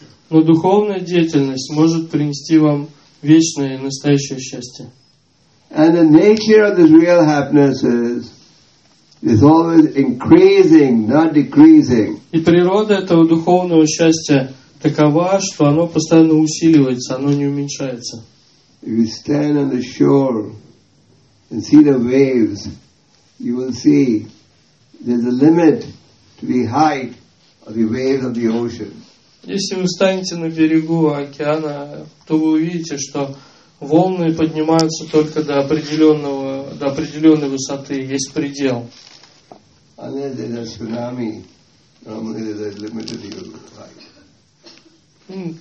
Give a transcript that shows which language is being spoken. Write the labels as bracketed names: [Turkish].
[Russian] Но духовная деятельность может принести вам вечное и настоящее счастье. [English] And the nature of this real happiness is always increasing, not decreasing. [Russian] И природа этого духовного счастья такова, что оно постоянно усиливается, оно не уменьшается. [English] If you stand on the shore and see the waves, you will see there's a limit to the height of the waves of the ocean. [Russian] Если вы станете на берегу океана, то вы увидите, что волны поднимаются только до определенной высоты, есть предел. [English] Unless there's a tsunami, normally there's a limit to the height.